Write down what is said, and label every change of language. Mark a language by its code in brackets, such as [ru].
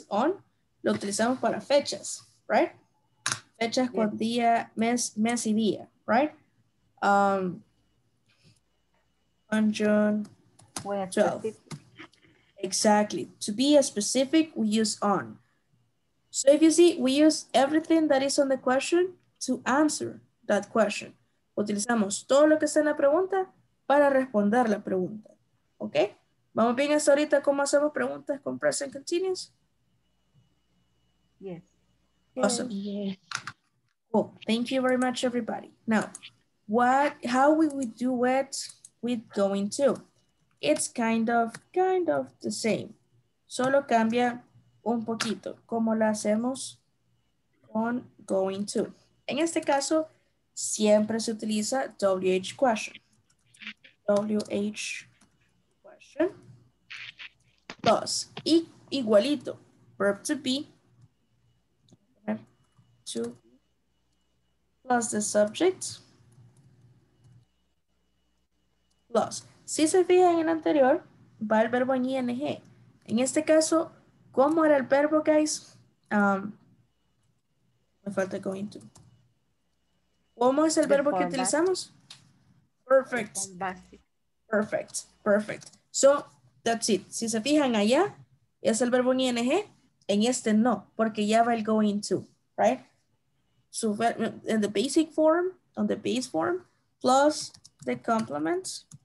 [es] On, lo utilizamos para fechas, right? Fechas con día, mes y día, right? [en] On June 12th. Exactly. To be specific, we use on. So if you see, we use everything that is on the question to answer that question. [es] Utilizamos todo lo que está en la pregunta para responder la pregunta. ¿Ok? ¿Vamos bien hasta ahorita cómo hacemos preguntas con present continuous? [en] Yes. Awesome. Yes. Cool. Thank you very much, everybody. Now, how will we do it with going to? It's kind of the same. [es] Solo cambia un poquito como lo hacemos con going to. En este caso, siempre se utiliza WH question. [en] WH question. Plus, igualito, verb to be. To plus the subject. [es] Plus. Si se fijan en el anterior, va el verbo en ing. En este caso, ¿cómo era el verbo, guys? Me falta going to. ¿Cómo es el verbo que utilizamos? [en] Perfect. Perfect. Perfect. So, that's it. [es] Si se fijan allá, es el verbo en ing. En este no, porque ya va el going to, right? [en] So, in the basic form, on the base form, plus the complement.